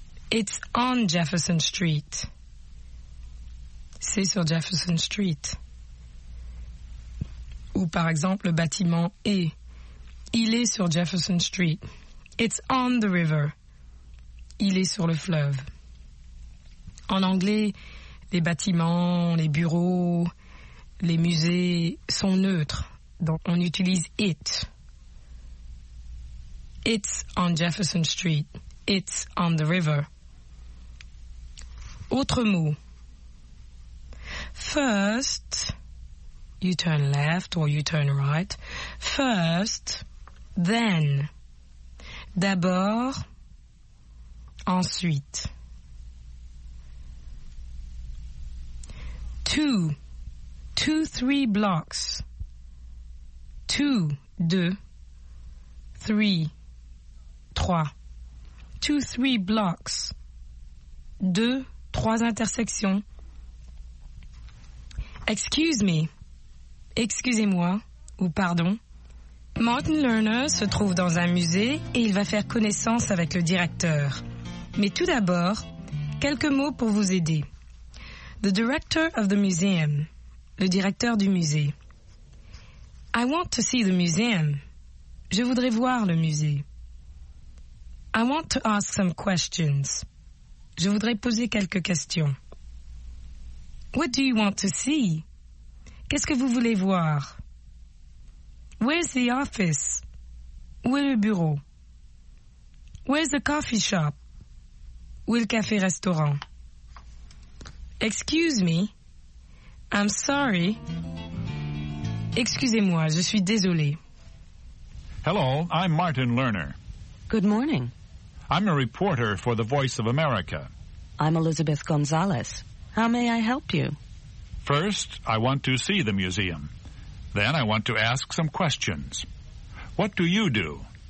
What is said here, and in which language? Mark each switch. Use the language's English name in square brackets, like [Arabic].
[English] It's on Jefferson Street. [French] C'est sur Jefferson Street. Ou par exemple, le bâtiment est. Il est sur Jefferson Street. [English] It's on the river. [French] Il est sur le fleuve. En anglais, les bâtiments, les bureaux, les musées sont neutres. Donc on utilise it. [English] It's on Jefferson Street. It's on the river. [French] Autre mot. [English] First, you turn left or you turn right. First, then. [French] D'abord, ensuite. [English] Two, three blocks. Two, deux. Three, trois. Two, three blocks. Deux, trois intersections. Excuse me. [French] Excusez-moi, ou pardon. Martin Lerner se trouve dans un musée et il va faire connaissance avec le directeur. Mais tout d'abord, quelques mots pour vous aider. [English] The director of the museum. [French] Le directeur du musée. [English] I want to see the museum. [French] Je voudrais voir le musée. [English] I want to ask some questions. [French] Je voudrais poser quelques questions. [English] What do you want to see? [French] Qu'est-ce que vous voulez voir? [English] Where's the office? [French] Où est le bureau? [English] Where's the coffee shop? [French] Où est le café-restaurant? [English] Excuse me. I'm sorry. [French] Excusez-moi, je suis désolé. [English] Hello, I'm Martin Lerner. Good morning. I'm a reporter for the Voice of America. I'm Elizabeth Gonzalez. How may I help you? First, I want to see the museum. Then I want to ask some questions. What do you do?